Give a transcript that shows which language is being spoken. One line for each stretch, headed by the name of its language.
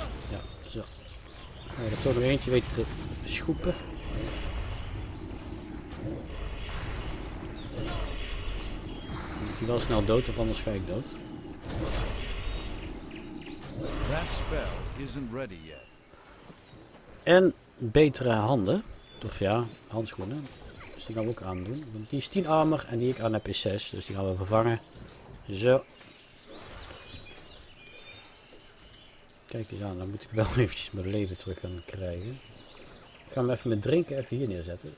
Dutch: Ja, zo. We hebben er toch nog eentje weten te schoepen. Dan moet je wel snel dood, want anders ga ik dood.
English: That spell isn't ready yet.
Dutch: En betere handen. Of ja, handschoenen. Dus die gaan we ook aan doen. Want die is 10 armor en die ik aan heb is 6. Dus die gaan we vervangen. Zo. Kijk eens aan, dan moet ik wel eventjes mijn leven terug gaan krijgen. Ik ga hem even met drinken even hier neerzetten.